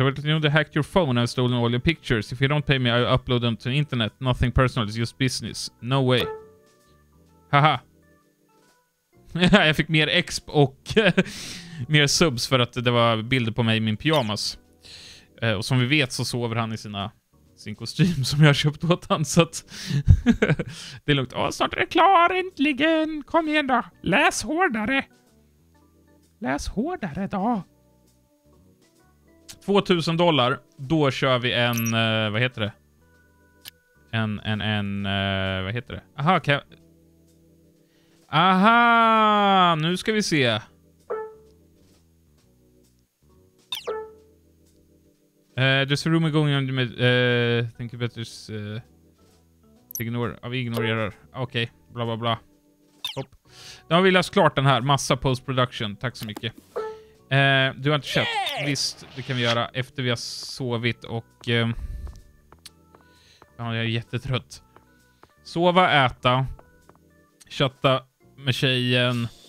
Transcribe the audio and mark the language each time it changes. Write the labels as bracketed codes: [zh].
[en] I will let you know they hacked your phone and stolen all your pictures. If you don't pay me, I upload them to the internet. Nothing personal, it's just business. No way. Haha. [sv] Jag fick mer exp och mer subs för att det var bilder på mig i min pyjamas. Och som vi vet så sover han i sin kostym som jag har köpt åt han. Så att det är lugnt. Åh, snart är det klar, äntligen. Kom igen då. Läs hårdare. Läs hårdare då. $2,000. Då kör vi en... vad heter det? En vad heter det? Aha, kan jag... Aha, nu ska vi se. [en] There's a rumor going on with, thank you better ignore. [sv] Vi ignorerar. Okej, okay. Bla bla bla. Hopp. Då har vi läst klart den här. Massa post-production. Tack så mycket. Du har inte köpt. Visst, det kan vi göra. Efter vi har sovit och... ja, jag är jättetrött. Sova, äta. Chatta med tjejen.